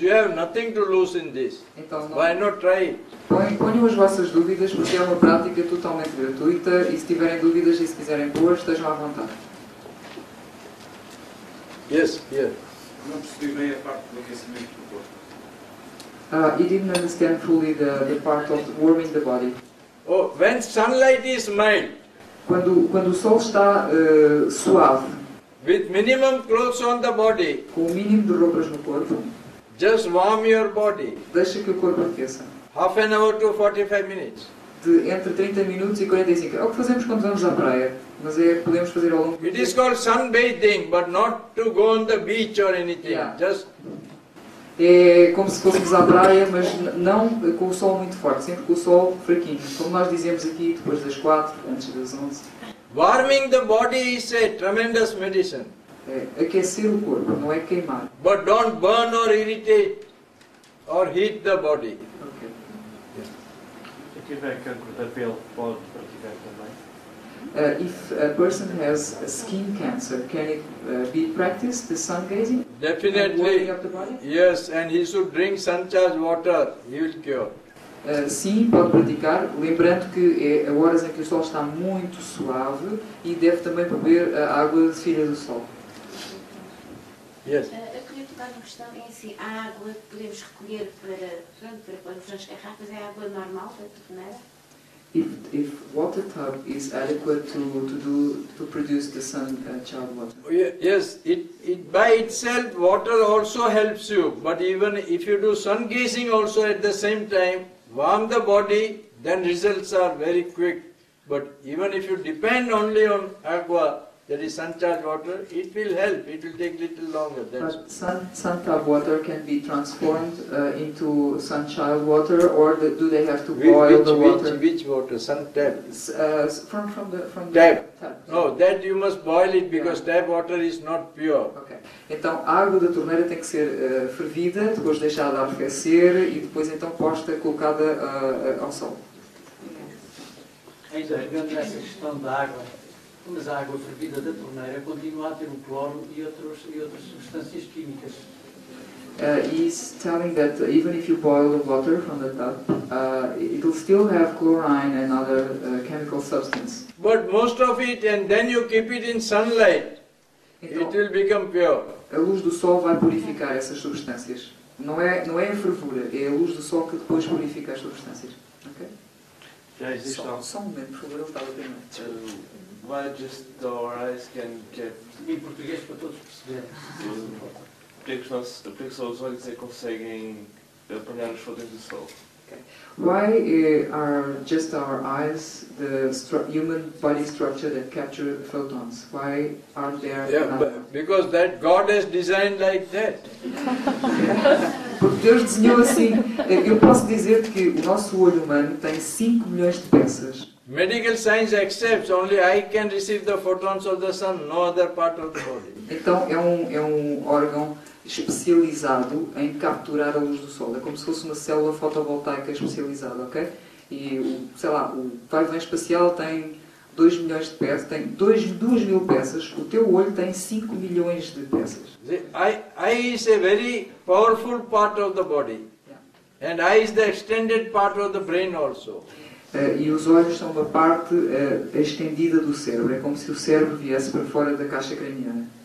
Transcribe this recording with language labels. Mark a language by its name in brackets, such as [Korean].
[English] You have nothing to lose in this. [Portuguese] Então, não. [English] Why not try it? [Portuguese] Ponham as vossas dúvidas porque é uma prática totalmente gratuita e se tiverem dúvidas e se quiserem boas, estejam à vontade. [English] Yes, yes. [Portuguese] Não percebi bem a parte do aquecimento do corpo. [English] He didn't understand fully the part of warming the body. Oh, when sunlight is mild. [Portuguese] Quando o sol está suave. [English] With minimum clothes on the body. [Portuguese] Com o mínimo de roupas no corpo. [English] Just warm your body. [Portuguese] Deixa que o corpo aqueça. [English] Half an hour to 45 minutes. [Portuguese] Entre 30 minutos e 45. É o que fazemos quando vamos à praia. Mas podemos fazer ao longo do [English] It is called sunbathing, but not to go on the beach or anything. Yeah. Just. [Portuguese] É como se fôssemos à praia, mas não com o sol muito forte, sempre com o sol fraquinho. Como nós dizemos aqui, depois das 4, antes das 11. [English] Warming the body is a tremendous medicine. [Portuguese] É aquecer o corpo, não é queimar. [English] But don't burn or irritate or heat the body. Ok. [Portuguese] Se tiver cancro da pele, pode praticar também. [English] If a person has a skin cancer, can it be practiced, the sun gazing? Definitely. And warming up the body? Yes, and he should drink sun-charged water. He will cure. [Portuguese] Sim, pode praticar, lembrando que é a horas em que o sol está muito suave e deve também beber a água de filha do sol. [English] Yes. [Portuguese] Eu queria tocar uma questão, é assim, a água que podemos recolher para fazer as garrafas é a água normal, da torneira? [English] If water tub is adequate to produce the sun child water? Yes, it by itself water also helps you, but even if you do sun gazing also at the same time, warm the body, then results are very quick. But even if you depend only on aqua, that is sun-charged water, it will help. It will take little longer. Sun tub water can be transformed into sun-charged water, or do they have to boil which, the water? Which water? Sun tap. From the tap. No, that you must boil it because tap water is not pure. Okay. [Portuguese] Então, a água da torneira tem que ser fervida, depois deixada arrefecer e depois então posta, colocada ao sol. Ainda pegando nessa questão da água. Mas a água fervida da torneira continua a ter o cloro e outras substâncias químicas. [English] He's telling that even if you boil the water from the tub, it will still have chlorine and other chemical substances. But most of it, and then you keep it in sunlight, [Portuguese] então, [English] it will become pure. [Portuguese] A luz do sol vai purificar essas substâncias. Não é a fervura, é a luz do sol que depois purifica as substâncias. [English] Ok? [Portuguese] Já existe algo. Só um momento, por favor, ele estava a terminar. [English] Why just the eyes can get... [Portuguese] Em português para todos perceberem. Por que os olhos conseguem apanhar as fotos do sol? [English] Okay. Why are just our eyes the human body structure that capture the photons? Why aren't there? Yeah, because that God has designed like that. [Portuguese] Porque Deus desenhou assim. Eu posso dizer que o nosso olho humano tem 5 milhões de peças. [English] Medical science accepts only I can receive the photons of the sun, no other part of the body. [Portuguese] Então é um órgão especializado em capturar a luz do sol. É como se fosse uma célula fotovoltaica especializada, ok? E, sei lá, o pavilhão espacial tem 2 milhões de peças, tem 2 mil peças, o teu olho tem 5 milhões de peças. [English] The eye is a very powerful part of the body. Yeah. And eye is the extended part of the brain also. [Portuguese] E os olhos são uma parte estendida do cérebro. É como se o cérebro viesse para fora da caixa craniana.